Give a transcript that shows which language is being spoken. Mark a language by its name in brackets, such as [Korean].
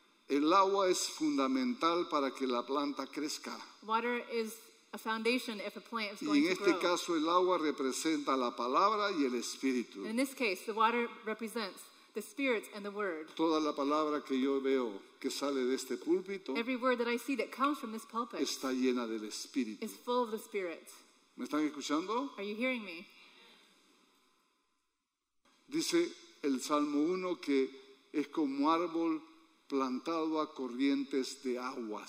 [Spanish] El agua es fundamental para que la planta crezca. [English] Water is a foundation if a plant is going [Spanish] y en [English] to [Spanish] este [English] grow. [Spanish] Caso el agua representa la palabra y el espíritu. [English] And in this case, the water represents the spirit and the word. [Spanish] Toda la palabra que yo veo que sale de este púlpito [English] every word that I see that comes from this pulpit [Spanish] está llena del espíritu. [English] Is full of the spirit. [Spanish] ¿Me están escuchando? [English] Are you hearing me? [Spanish] Dice el Salmo 1 que es como árbol plantado a corrientes de aguas.